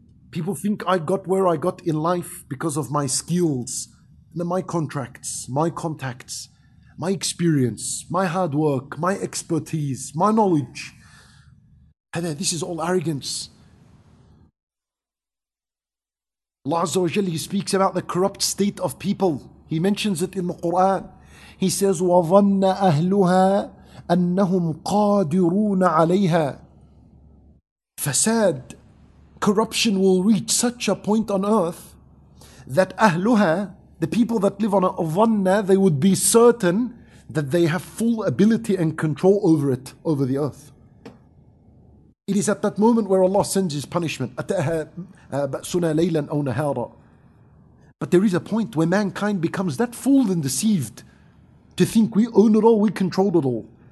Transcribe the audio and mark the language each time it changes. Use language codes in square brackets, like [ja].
[en] People think I got where I got in life because of my skills, my contracts, my contacts, my experience, my hard work, my expertise, my knowledge. This is all arrogance. Allah Azza wa Jalla, He speaks about the corrupt state of people. He mentions it in the Quran. He says, [ar] وَظَنَّ أَهْلُهَا أَنَّهُمْ قَادِرُونَ عَلَيْهَا. [en] Fasad. Corruption will reach such a point on earth that ahluha, the people that live on avanna, they would be certain that they have full ability and control over it, over the earth. It is at that moment where Allah sends His punishment. But there is a point where mankind becomes that fooled and deceived to think we own it all, we control it all.